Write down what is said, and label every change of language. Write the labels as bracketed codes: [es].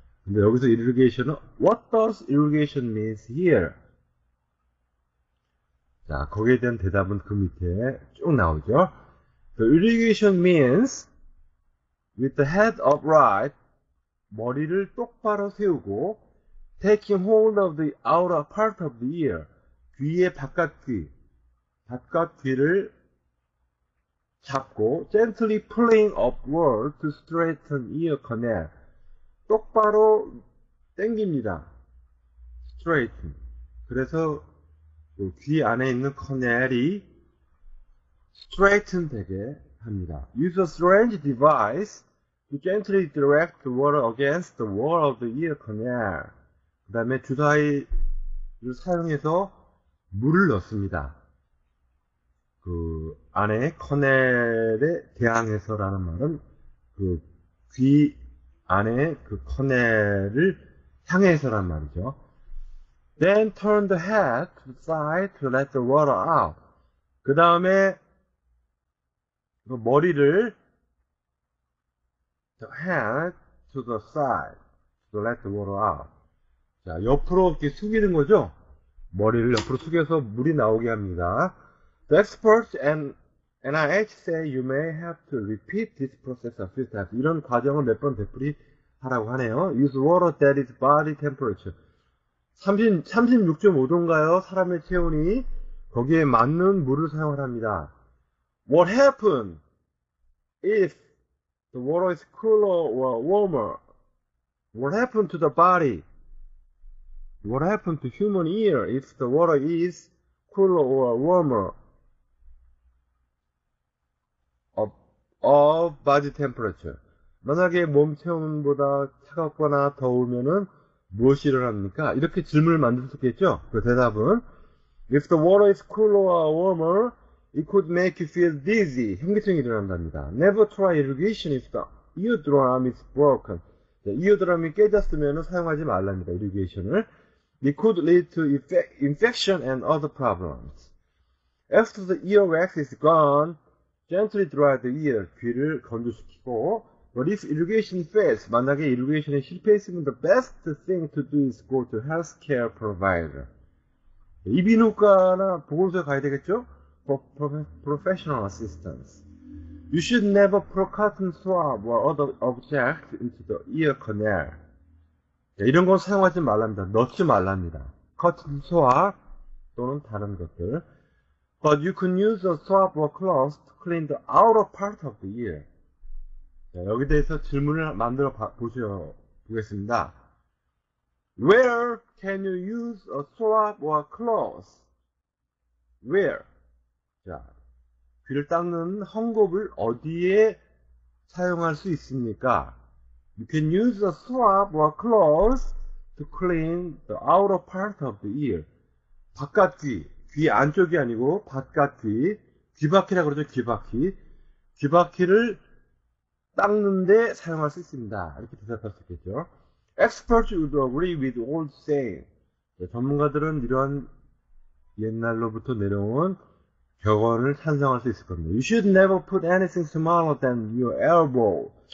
[ko] 근데 여기서 irrigation은 [en] What does irrigation means here? [ko] 자, 거기에 대한 대답은 그 밑에 쭉 나오죠. [en] The irrigation means with the head upright, [ko] 머리를 똑바로 세우고 [en] taking hold of the outer part of the ear, [ko] 귀의 바깥 귀를 잡고 [en] gently pulling upward to straighten ear canal, [ko] 똑바로 당깁니다. [en] Straighten. [ko] 그래서 귀 안에 있는 커넬이 스트레이튼 되게 합니다. [en] Use a strange device to gently direct the water against the wall of the ear canal. [ko] 그 다음에 주사위를 사용해서 물을 넣습니다. 그 안에 커넬에 대항해서라는 말은 그 귀 안에 그 커넬을 향해서라는 말이죠. [en] Then turn the head to the side to let the water out. [ko] 그 다음에 머리를 [en] the head to the side to let the water out. [ko] 자, 옆으로 이렇게 숙이는 거죠. 머리를 옆으로 숙여서 물이 나오게 합니다. [en] The experts and NIH say you may have to repeat this process a few times. [ko] 이런 과정을 몇 번 되풀이 하라고 하네요. [en] Use water that is body temperature. [ko] 36.5도인가요? 사람의 체온이 거기에 맞는 물을 사용합니다. [en] What happened if the water is cooler or warmer? What happened to the body? What happened to human ear if the water is cooler or warmer? of body temperature. [ko] 만약에 몸 체온보다 차갑거나 더우면은 무엇을 합니까? 이렇게 질문을 만들 수 있겠죠? 그 대답은 [en] If the water is cooler or warmer, it could make you feel dizzy. [ko] 현기증이 일어난답니다. [en] Never try irrigation if the eardrum is broken. [ko] 네, 이어드럼이 깨졌으면 사용하지 말랍니다. 이리게이션을. [en] It could lead to infection and other problems. After the earwax is gone, gently dry the ear. [ko] 귀를 건조시키고, [en] But if irrigation fails, [ko] 만약에 이리게이션이 실패했으면 [en] the best thing to do is go to healthcare provider. [ko] 네, 이비인후과나 보건소에 가야 되겠죠? [en] For professional assistance. You should never put cotton swab or other object into the ear canal. [ko] 이런 건 사용하지 말랍니다. 넣지 말랍니다. Cotton swab 또는 다른 것들. [en] But you can use a swab or cloth to clean the outer part of the ear. [ko] 여기 대해서 질문을 만들어 보셔 보겠습니다. [en] Where can you use a swab or cloth? Where? 자. [ko] 귀를 닦는 헝겊을 어디에 사용할 수 있습니까? [en] You can use a swab or cloth to clean the outer part of the ear. [ko] 바깥귀, 귀 안쪽이 아니고 바깥귀, 귀바퀴라고 그러죠, 귀바퀴. 귀바퀴를 닦는데 사용할 수 있습니다. 이렇게 대답할 수 있겠죠. [en] Experts would agree with old saying. [ko] 네, 전문가들은 이러한 옛날로부터 내려온 격언을 찬성할 수 있을 겁니다. [en] You should never put anything smaller than your elbow.